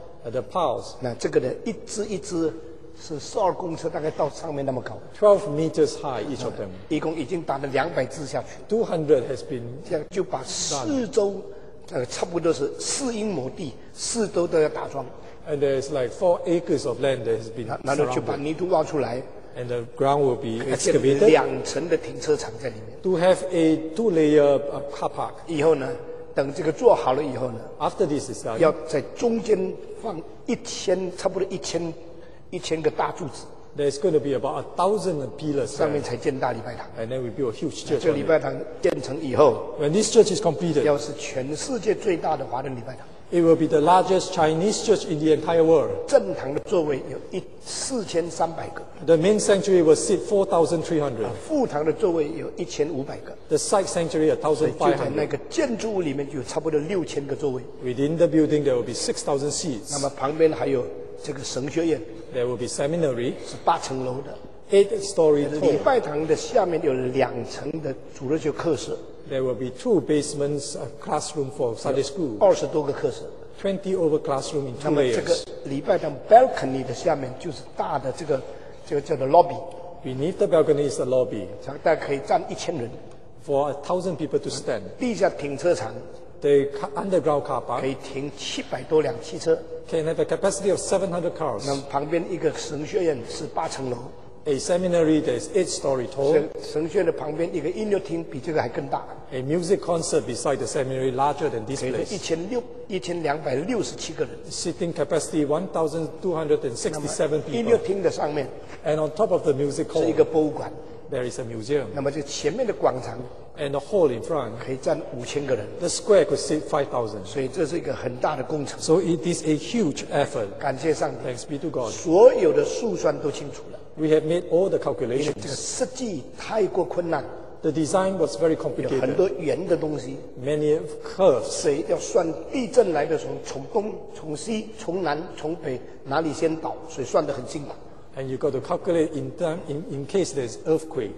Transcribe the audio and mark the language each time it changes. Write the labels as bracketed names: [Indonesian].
[English] The piles. [Chinese] 那这个呢，一只一只是12公尺，大概到上面那么高。 [English] 12 meters high each of them. [Chinese] 一共已经打了200只下去。 [English] 200 has been. [Chinese] 这样就把四周差不多是四英亩地，四周都要打桩。 [English] And there's like 4 acres of land that has been surrounded. [Chinese] 然后就把泥土挖出来。 [English] And the ground will be excavated. [Chinese] 两层的停车场在里面。 [English] To have a two-layer car park. [Chinese] 以后呢，等这个做好了以后呢 [English] ，After this is done, [Chinese] 要在中间放差不多一千个大柱子。 [English] There's going to be about 1,000 pillars. [Chinese] 上面才建大礼拜堂。 [English] And then we build a huge church. [Chinese] 这礼拜堂建成以后 [English] ，When this church is completed, [Chinese] 要是全世界最大的华人礼拜堂。 [English] It will be the largest Chinese church in the entire world. [Chinese] 正堂的座位有4,300个。 [English] The main sanctuary will seat 4,300. [Chinese] 副堂的座位有1,500个。 [English] The side sanctuary 1,500. [Chinese] 就在那个建筑物里面有差不多6,000个座位。 [English] Within the building there will be 6,000 seats. [Chinese] 那么旁边还有这个神学院。 [English] There will be seminary. [Chinese] 是8层楼的。 [English] 8-story tall. [Chinese] 礼拜堂的下面有2层的主日学课室。 [English] There will be 2 basements, a classroom for Sunday school. [Chinese] 20多个课室。 [English] 20 over classroom in 2 layers. [Chinese] 那么这个礼拜堂 balcony 的下面就是大的这个，这个叫做 lobby. [English] Beneath the balcony is the lobby. [Chinese] 大概可以站1,000人。 [English] For 1,000 people to stand. [Chinese] 地下停车场。 [English] The underground car park. [Chinese] 可以停700多辆汽车。 [English] Can have a capacity of 700 cars. [Chinese] 那么旁边一个神学院是8层楼。 [English] A seminary that is 8-story tall. [Chinese] 神学院的旁边一个音乐厅比这个还更大。 [English] A music concert beside the seminary larger than this place. [Chinese] 1,267个人。 [English] Sitting capacity 1,267 people. [Chinese] 音乐厅的上面。 [English] And on top of the music hall. [Chinese] 是一个博物馆。 [English] There is a museum. [Chinese] 那么就前面的广场。 [English] And the hall in front. [Chinese] 可以站5,000个人。 [English] The square could sit 5,000. [Chinese] 所以这是一个很大的工程。 [English] So it is a huge effort. [Chinese] 感谢上帝。 [English] Thanks be to God. [Chinese] 所有的数算都清楚了。 [English] We have made all the calculations. [Chinese] 这个设计太过困难。 [English] The design was very complicated. [Chinese] 有很多圆的东西。 [English] Many curves. [Chinese] 所以要算地震来的时候，从东、从西、从南、从北，哪里先倒，所以算得很辛苦。 [English] And you got to calculate in case there's earthquake.